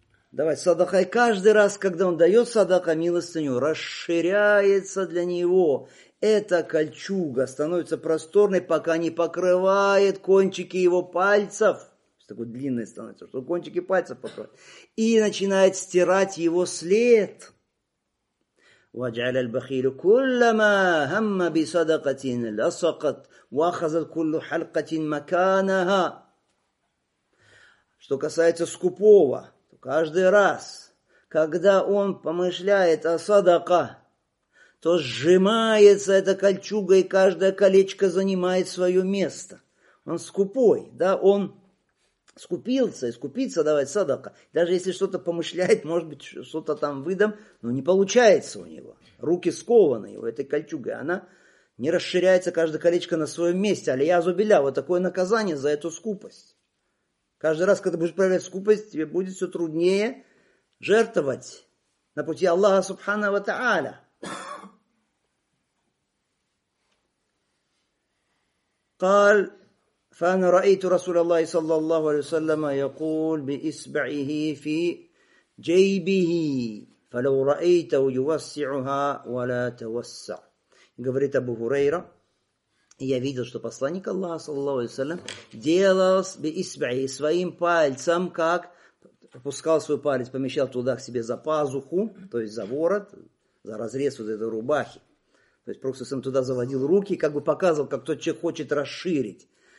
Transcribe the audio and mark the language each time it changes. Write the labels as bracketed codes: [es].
[ru] Давай, садака. И каждый раз, когда он дает садака, милостыню расширяется для него. Эта кольчуга становится просторной, пока не покрывает кончики его пальцев. Такой длинной становится, что кончики пальцев покрывает. И начинает стирать его след. [ar] واجعل البخيل كلما هم بصدقة لصقت واخذت كل حلقة مكانها. [ru] Что касается скупого, то каждый раз, когда он помышляет о садака, то сжимается эта кольчуга, и каждое колечко занимает свое место. Он скупой, да, он скупился, и скупиться давать садака. Даже если что-то помышляет, может быть, что-то там выдам, но не получается у него. Руки скованы у этой кольчугой, она не расширяется, каждое колечко на своем месте. [ar] Алия зубиля, [ru] вот такое наказание за эту скупость. Каждый раз, когда ты будешь проявлять скупость, тебе будет все труднее жертвовать на пути Аллаха Субхана ва Тааля. [ar] قال فأنا رأيت رسول الله صلى الله عليه وسلم يقول بإصبعه في جيبه فلو رأيته يوسعها ولا توسع. [ru] Говорит Абу Хурейра. И я видел, что посланник Аллаха, саллаллаху алейхи ва саллям, делал бисбаи своим пальцем, как опускал свой палец, помещал туда к себе за пазуху, то есть за ворот, за разрез вот этой рубахи. То есть Пророк саллаллаху алейхи ва саллям туда заводил руки, как бы показывал, как тот человек хочет расширить.